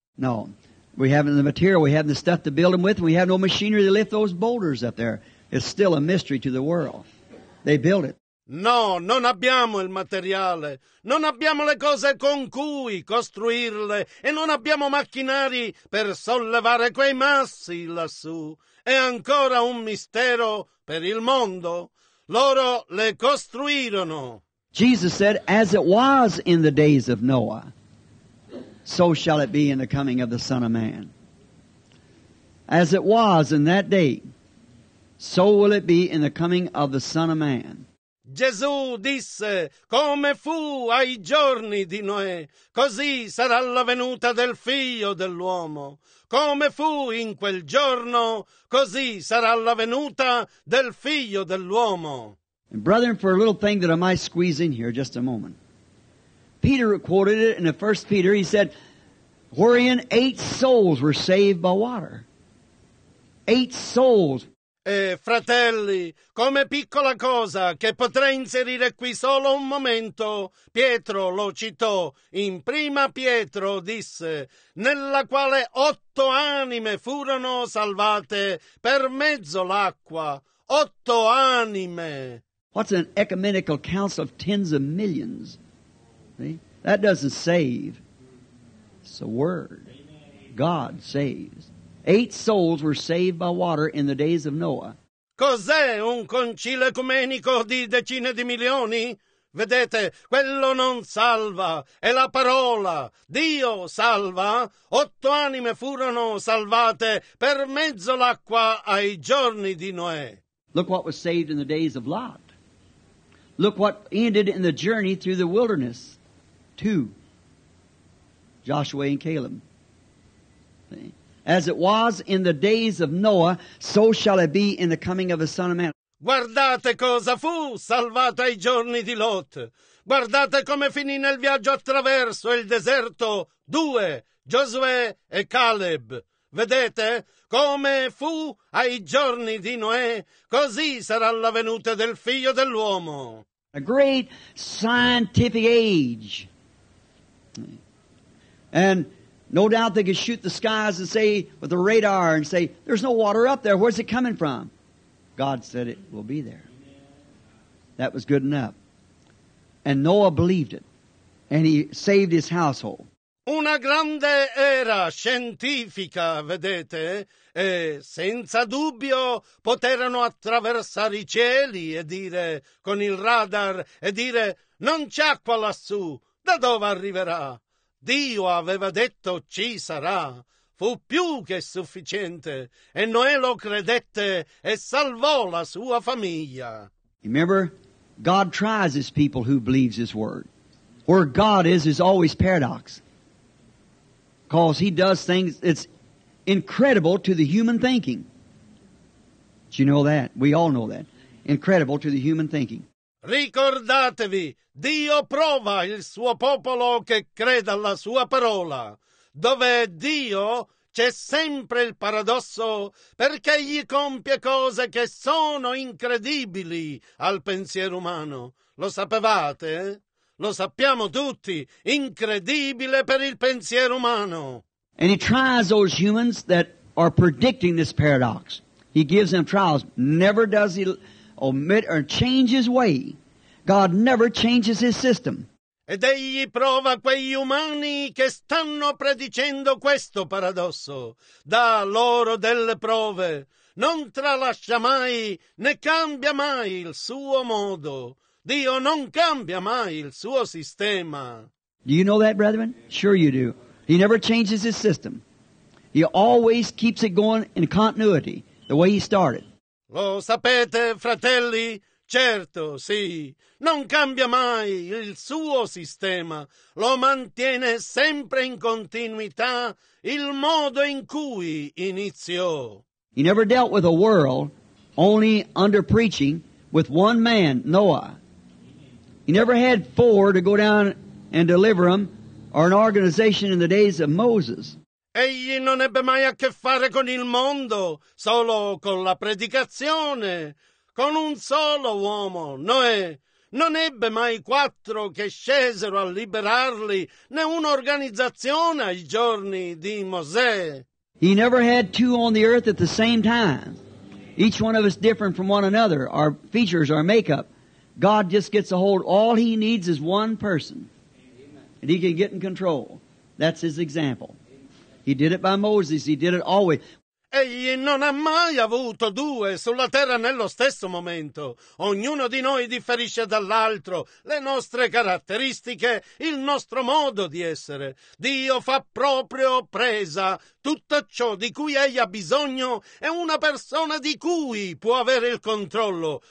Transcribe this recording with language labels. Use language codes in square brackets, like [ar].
[en] No, we haven't the material, we haven't the stuff to build them with, and we have no machinery to lift those boulders up there. It's still a mystery to the world. They built it. [it] No, non abbiamo il materiale, non abbiamo le cose con cui costruirle e non abbiamo macchinari per sollevare quei massi lassù. È ancora un mistero per il mondo. Loro le costruirono. [en] Jesus said, as it was in the days of Noah, so shall it be in the coming of the Son of Man. As it was in that day, so will it be in the coming of the Son of Man. [it] Gesù disse, come fu ai giorni di Noè, così sarà la venuta del figlio dell'uomo. Come fu in quel giorno, così sarà la venuta del figlio dell'uomo. [en] And brethren, for a little thing that I might squeeze in here, just a moment. Peter quoted it in the first Peter. He said, wherein eight souls were saved by water. Eight souls. [it] Fratelli, come piccola cosa che potrei inserire qui solo un momento, Pietro lo citò, in prima Pietro disse, nella quale otto anime furono salvate per mezzo l'acqua, otto anime. [en] What's an ecumenical council of tens of millions? See? That doesn't save, it's a word. God saves. Eight souls were saved by water in the days of Noah. [it] Cos'è un concilio ecumenico di decine di milioni? Vedete, quello non salva, è la parola. Dio salva. Otto anime furono salvate per mezzo l'acqua ai giorni di Noè. [en] Look what was saved in the days of Lot. Look what ended in the journey through the wilderness. Two. Joshua and Caleb. As it was in the days of Noah, so shall it be in the coming of the Son of Man. [it] Guardate cosa fu salvato ai giorni di Lot. Guardate come finì nel viaggio attraverso il deserto. Due, Giosuè e Caleb. Vedete come fu ai giorni di Noè, così sarà la venuta del figlio dell'uomo. [en] A great scientific age. And no doubt they could shoot the skies and say, with the radar, and say, there's no water up there. Where's it coming from? God said it will be there. That was good enough. And Noah believed it. And he saved his household. [it] Una grande era scientifica, vedete, e senza dubbio poterono attraversare i cieli e dire, con il radar, e dire, non c'è acqua lassù. Da dove arriverà? Dio aveva detto ci sarà. fu più che sufficiente, e Noè lo credette e salvò la sua famiglia. [en] Remember, God tries his people who believes his word. Where God is always paradox. Because he does things, it's incredible to the human thinking. Do you know that? We all know that. Incredible to the human thinking. [it] Ricordatevi, Dio prova il suo popolo che creda alla sua parola. Dove è Dio, c'è sempre il paradosso, perché egli compie cose che sono incredibili al pensiero umano. Lo sapevate? Lo sappiamo tutti, incredibile per il pensiero umano. [en] And he tries those humans that are predicting this paradox. He gives them trials. Never does he omit or change his way. God never changes his system. [it] Ed egli prova quegli umani che stanno predicendo questo paradosso. Dà loro delle prove. Non tralascia mai, né cambia mai il suo modo. Dio non cambia mai il suo sistema. [en] Do you know that, brethren? Sure you do. He never changes his system. He always keeps it going in continuity, the way he started. [it] Lo sapete, fratelli? Certo, sì. Non cambia mai il suo sistema. Lo mantiene sempre in continuità il modo in cui iniziò. [en] He never dealt with a world only under preaching with one man, Noah. He never had four to go down and deliver them, or an organization in the days of Moses. [it] Egli non ebbe mai a che fare con il mondo, solo con la predicazione, con un solo uomo, Noè. Non ebbe mai quattro che scesero a liberarli, né un'organizzazione ai giorni di Mosè. [en] He never had two on the earth at the same time. Each one of us different from one another, our features, our makeup. God just gets a hold. All he needs is one person. And he can get in control. That's his example. He did it by Moses. He did it always. [it] Egli non ha mai avuto due sulla terra nello stesso momento. Ognuno di noi differisce dall'altro. Le nostre caratteristiche, il nostro modo di essere. Dio fa proprio presa tutto ciò di cui egli ha bisogno e una persona di cui può avere il controllo.